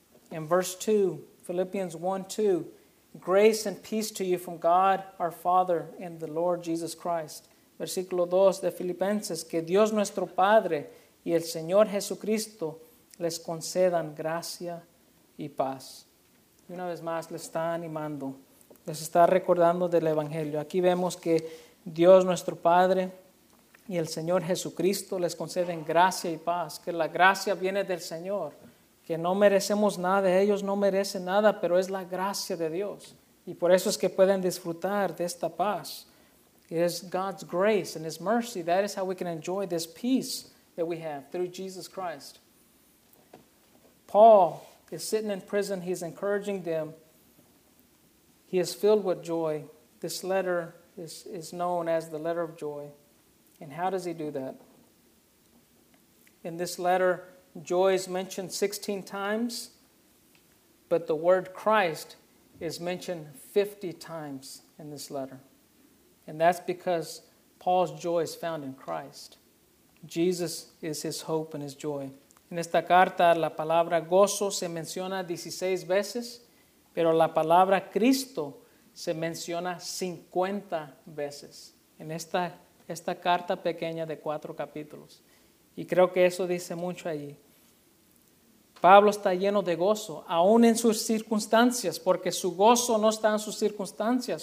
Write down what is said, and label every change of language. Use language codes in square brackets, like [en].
[en] In verse 2, Philippians 1, 2, grace and peace to you from God our Father and the Lord Jesus Christ. [es] Versículo 2 de Filipenses, que Dios nuestro Padre y el Señor Jesucristo les concedan gracia y paz. Y una vez más les está animando, les está recordando del Evangelio. Aquí vemos que Dios nuestro Padre y el Señor Jesucristo les conceden gracia y paz, que la gracia viene del Señor, que no merecemos nada, ellos no merecen nada, pero es la gracia de Dios. Y por eso es que pueden disfrutar de esta paz. [en] It is God's grace and His mercy. That is how we can enjoy this peace that we have through Jesus Christ. Paul is sitting in prison. He's encouraging them. He is filled with joy. This letter is known as the letter of joy. And how does he do that? In this letter, joy is mentioned 16 times, but the word Christ is mentioned 50 times in this letter. And that's because Paul's joy is found in Christ. Jesus is his hope and his joy. [es] En esta carta, la palabra gozo se menciona 16 veces, pero la palabra Cristo se menciona 50 veces. En esta carta pequeña de 4 capítulos. Y creo que eso dice mucho allí. Pablo está lleno de gozo, aún en sus circunstancias, porque su gozo no está en sus circunstancias.